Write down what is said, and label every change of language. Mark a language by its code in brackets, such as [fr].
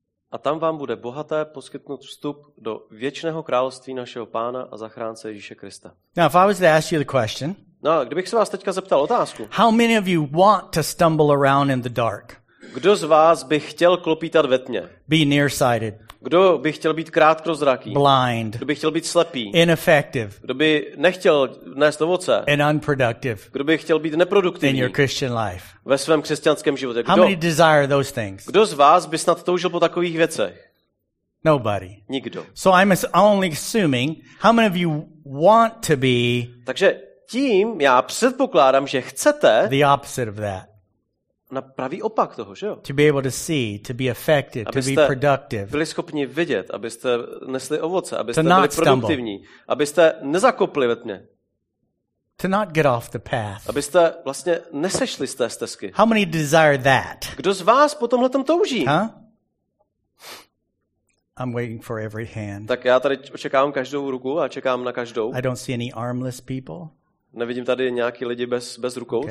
[cs] A tam vám bude bohaté poskytnut vstup do věčného království našeho Pána a zachránce Ježíše Krista. [en] Now, if I was to ask you the question, [cs] no, kdybych se vás teďka zeptal otázku. [en] How many of you want to stumble around in the dark? [cs] Kdo z vás by chtěl klopítat ve tmě? [en] Be nearsighted. [cs] Kdo by chtěl být krátkozraký? [en] Blind. [cs] Kdo by chtěl být slepý? [en] Ineffective. [cs] Kdo by nechtěl nést ovoce? [en] And unproductive. [cs] Kdo by chtěl být neproduktivní? [en] In your Christian life. [cs] Ve svém křesťanském životě. [en] How many desire those things? [cs] Kdo z vás by snad toužil po takových věcech? [en] Nobody. [cs] Nikdo. [en] So I'm only assuming how many of you want to be. [cs] Takže tím já předpokládám, že chcete. [en] The opposite of that. [cs] Na pravý opak toho, že jo? [en] To be able to see, to be effective, to be productive. [cs] Byli schopni vidět, abyste nesli ovoce, abyste byli produktivní, abyste nezakopli ve tmě. [en] To not get off the path. [cs] Abyste vlastně nesešli z té stezky. [en] How many desire that? [cs] Kdo z vás po tomhle tom touží? Huh? [en] I'm waiting for every hand. [cs] Tak já tady očekávám každou ruku a čekám na každou. [en] I don't see any armless people. [cs] Nevidím tady nějaký lidi bez rukou, okay.